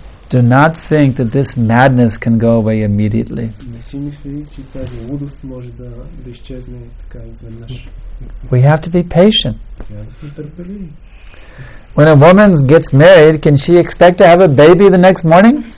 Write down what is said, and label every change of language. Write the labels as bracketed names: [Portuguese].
[English] Do not think that this madness can go away immediately. [Bulgarian] Не си мисли, че тази лудост може да изчезне така изведнъж. [English] We have to be patient. Yeah, when a woman gets married, can she expect to have a baby the next morning?